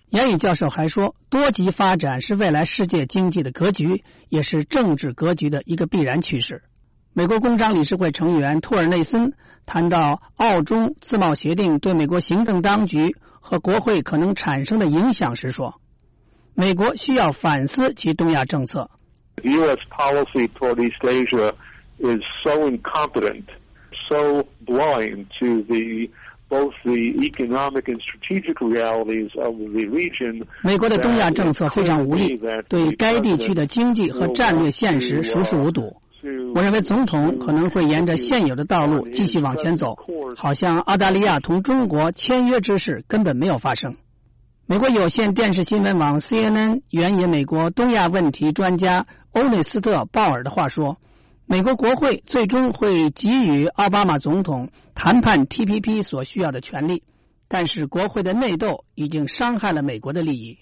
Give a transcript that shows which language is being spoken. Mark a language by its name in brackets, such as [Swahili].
[Chinese] 严宇教授还说，多极发展是未来世界经济的格局，也是政治格局的一个必然趋势。美国工商理事会成员托尔内森谈到澳中自贸协定对美国行政当局和国会可能产生的影响时说，美国需要反思其东亚政策。 [English] US policy toward East Asia is so incompetent, so blind to both the economic and strategic realities of the region. [Chinese] 美国的东亚政策非常无力，对该地区的经济和战略现实熟视无睹。我认为总统可能会沿着现有的道路继续往前走，好像澳大利亚同中国签约之事根本没有发生。美国有线电视新闻网 CNN 援引美国东亚问题专家欧内斯特·鲍尔的话说，美国国会最终会给予奥巴马总统谈判 TPP 所需要的权利，但是国会的内斗已经伤害了美国的利益。